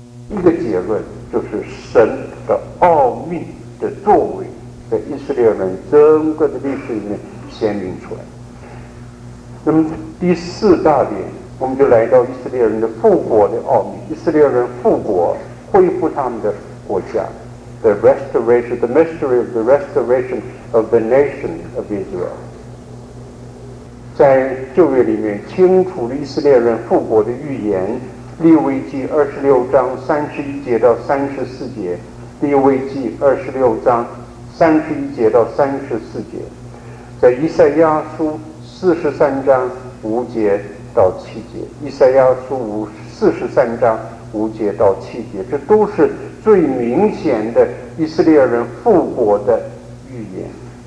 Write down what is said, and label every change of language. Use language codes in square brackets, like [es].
[zh] 一个结论就是神的奥秘的作为在以色列人整个的历史里面显明出来。那么第四大点，我们就来到以色列人的复国的奥秘。以色列人复国，恢复他们的国家。 [en] The restoration, the mystery of the restoration of the nation of Israel. [zh] 在旧约里面清楚了以色列人复国的预言，利未记26章31节到34节，利未记26章31节到34节，在以赛亚书43章5节到7节，以赛亚书43章5节到7节，这都是最明显的以色列人复国的预言。